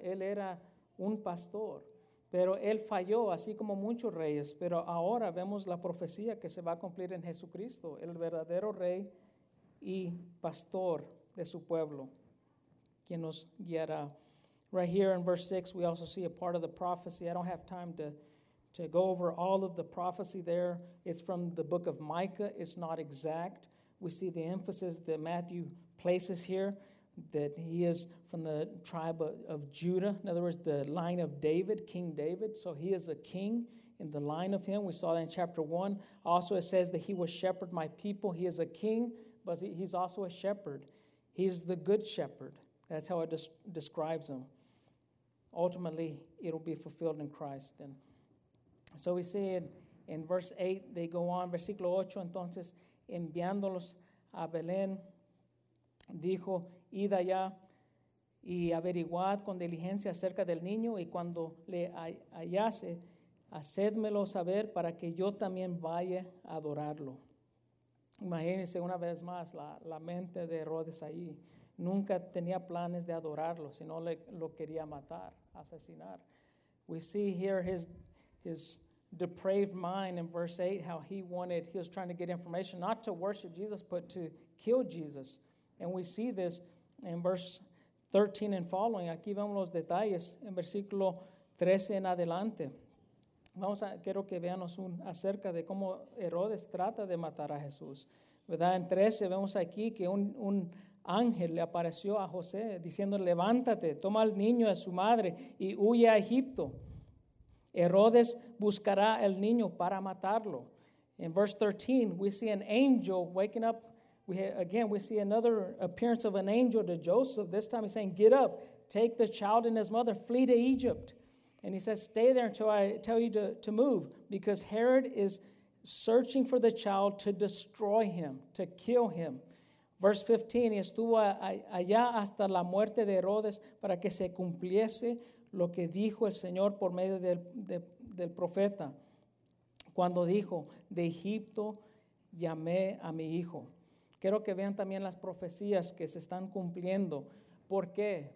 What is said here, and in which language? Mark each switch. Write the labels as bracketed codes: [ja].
[es] Él era un pastor, pero él falló, así como muchos reyes, pero ahora vemos la profecía que se va a cumplir en Jesucristo, el verdadero rey y pastor de su pueblo, quien nos guiará. [en] Right here in verse 6, we also see a part of the prophecy. I don't have time to go over all of the prophecy there. It's from the book of Micah. It's not exact. We see the emphasis that Matthew places here, that he is from the tribe of Judah. In other words, the line of David, King David. So he is a king in the line of him. We saw that in chapter 1. Also, it says that he will shepherd my people. He is a king, but he's also a shepherd. He's the good shepherd. That's how it describes him. Ultimately, it'll be fulfilled in Christ then. So we see in verse 8, they go on. [es] Versículo 8, entonces, enviándolos a Belén, dijo, id allá y averiguad con diligencia acerca del niño, y cuando le hallase, hacedmelo saber para que yo también vaya a adorarlo. Imagínense una vez más la mente de Herodes ahí. Nunca tenía planes de adorarlo, sino lo quería matar, asesinar. [en] We see here his depraved mind in verse 8, how he was trying to get information, not to worship Jesus, but to kill Jesus. And we see this in verse 13 and following. [es] Aquí vemos los detalles en versículo 13 en adelante. Quiero que veamos acerca de cómo Herodes trata de matar a Jesús. ¿Verdad? En 13 vemos aquí que un ángel le apareció a José diciendo, levántate, toma al niño y a su madre y huye a Egipto. Herodes buscará al niño para matarlo. [en] In verse 13, we see an angel waking up. We see another appearance of an angel to Joseph. This time he's saying, get up, take the child and his mother, flee to Egypt. And he says, stay there until I tell you to move, because Herod is searching for the child to destroy him, to kill him. Verse 15, [es] y estuvo allá hasta la muerte de Herodes para que se cumpliese lo que dijo el Señor por medio del profeta, cuando dijo, de Egipto llamé a mi hijo. Quiero que vean también las profecías que se están cumpliendo. ¿Por qué?